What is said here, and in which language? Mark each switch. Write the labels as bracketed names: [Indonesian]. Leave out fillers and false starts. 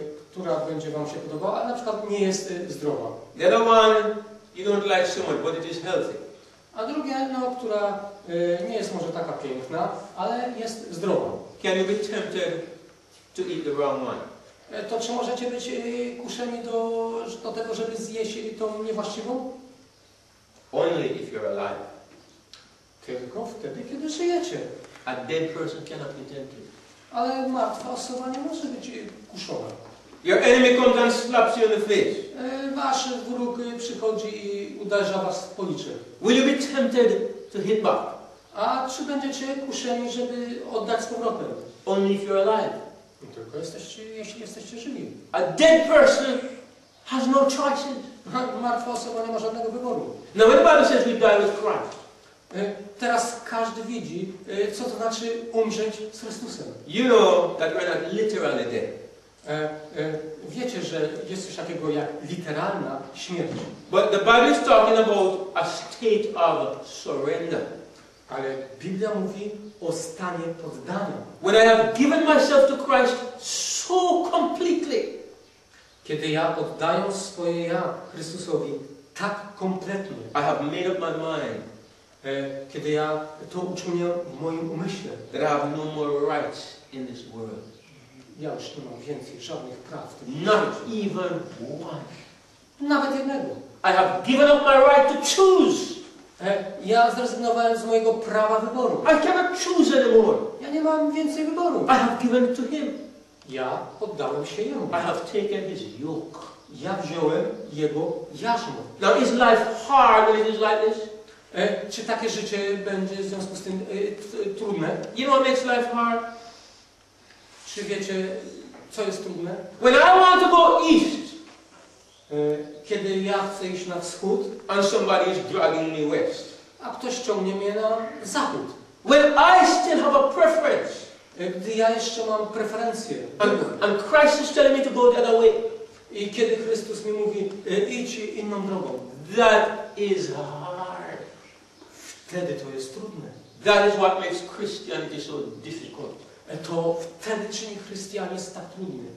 [Polish] Która będzie wam się podobała, ale na przykład nie jest zdrowa. [English] The other one you don't like so much, but it is healthy. [Polish] A druga, no, która nie jest może taka piękna, ale jest zdrowa. [English] Can you be tempted to eat the wrong one? [Polish] To czy możecie być kuszeni do tego, żeby zjeść tą niewłaściwą? [English] Only if you're alive. [Polish] Tylko wtedy, kiedy żyjecie. [English] A dead person cannot be tempted. [Polish] Ale martwa osoba nie może być kuszona. [English] Your enemy comes and slaps you in the face. [Polish] Wasz wróg przychodzi i uderza was w policzy. [English] Will you be tempted to hit back? [Polish] A czy będziecie kuszeni, żeby oddać z powrotem? [English] Only if you're alive. [Polish] Tylko jeśli jesteście żywi. [English] A dead person has no choices. [Polish] Martwa osoba nie ma żadnego wyboru. [English] Now when the Bible says we die with Christ. [Polish] Teraz każdy widzi, co to znaczy umrzeć z Chrystusem. [English] You know that we're not literally dead. [Polish] Wiecie, że jest coś takiego jak literalna śmierć. [English] But the Bible is talking about a state of surrender. [Polish] Ale Biblia mówi o stanie poddania. [English] When I have given myself to Christ so completely. [Polish] Kiedy ja oddaję swoje ja Chrystusowi tak kompletnie. [English] I have made up my mind. [Polish] Kiedy ja to uczynię w moim umyśle. [English] That I have no more rights in this world. [Polish] Ja już nie mam więcej żadnych praw. [English] Not even one. [Polish] Nawet jednego. [English] I have given up my right to choose. [Polish] Ja zrezygnowałem z mojego prawa wyboru. [English] I cannot choose anymore. [Polish] Ja nie mam więcej wyboru. [English] I have given it to him. [Polish] Ja oddałem się jemu. [English] I have taken his yoke. [Polish] Ja wziąłem jego jarzmo. [English] Now is life hard when it is like this? [Polish] Czy takie życie będzie w związku z tym trudne? [English] You know what makes life hard? [Polish] Czy wiecie, co jest trudne? [English] When I want to go east. [Polish] Kiedy ja chcę iść na wschód. [English] And somebody is dragging me west. [Polish] A ktoś ciągnie mnie na zachód. [English] When I still have a preference. [Polish] Gdy ja jeszcze mam preferencję. [English] And Christ is telling me to go the other way. [Polish] I kiedy Chrystus mi mówi, idź inną drogą. [English] That is hard. [Polish] Wtedy to jest trudne. [English] That is what makes Christianity so difficult. [Polish] to wtedy czyni chrześcijanin jest tak trudny.